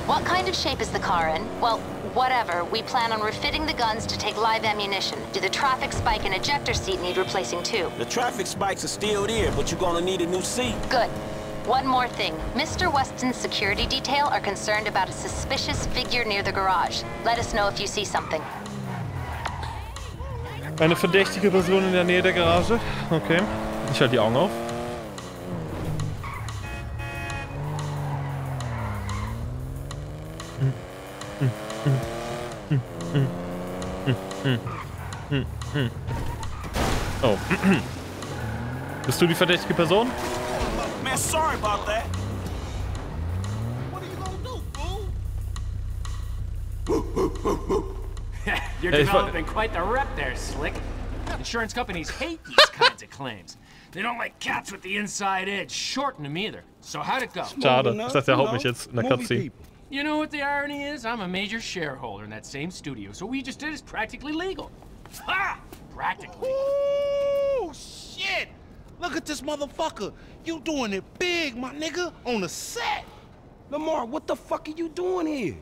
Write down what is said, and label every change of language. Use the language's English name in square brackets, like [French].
[English] What kind of shape is the car in? Well, whatever. We plan on refitting the guns to take live ammunition. Do the traffic spike and ejector seat need replacing too? The traffic spikes are still there, but you're gonna need a new seat. Good. One more thing. Mr. Weston's security detail are concerned about a suspicious figure near the garage. Let us know if you see something. [German] Eine verdächtige Person in der Nähe der Garage. Okay. Ich halte die Augen auf. Oh. Bist du die verdächtige Person? [English] Man, sorry about that. What are you gonna do, fool? You're developing quite the rep there, Slick. Insurance companies hate these kinds of claims. They don't like cats with the inside edge. Shorten them either. So how'd it go? [German] Schade, das heißt, er haut mich jetzt in der Cutscene. [English] You know what the irony is? I'm a major shareholder in that same studio, so what we just did is practically legal. Ha! Practically. Ooh, shit! Look at this motherfucker. You doing it big, my nigga, on the set. Lamar, what the fuck are you doing here?